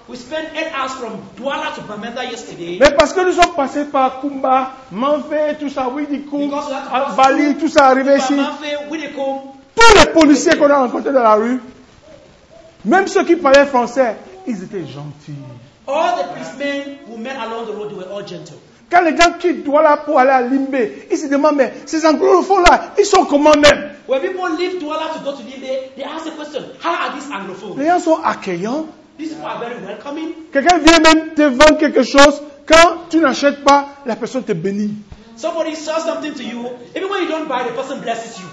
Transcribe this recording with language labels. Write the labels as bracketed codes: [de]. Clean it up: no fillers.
[en] We spent 8 hours from Douala to Bamenda yesterday. [fr] Mais parce que nous sommes passés par Kumba, Manfe, tout ça, Widikum, Bali, tout ça arrivé ici. Tous les policiers qu'on a rencontrés dans la rue, même ceux qui parlaient français, ils étaient gentils. [en] All the policemen who met along the road, they were all gentle. [fr] Quand les gens quittent Douala pour aller à Limbé, ils se demandent, mais ces anglophones-là, ils sont comment même? [en] When people leave Douala to go to Limbé, they ask the question, how are these anglophones? [fr] Les gens sont accueillants. [en] These people are very welcoming. [fr] Quelqu'un vient même te vendre quelque chose, quand tu n'achètes pas, la personne te bénit. [en] Somebody sells something to you, even when you don't buy, the person blesses you.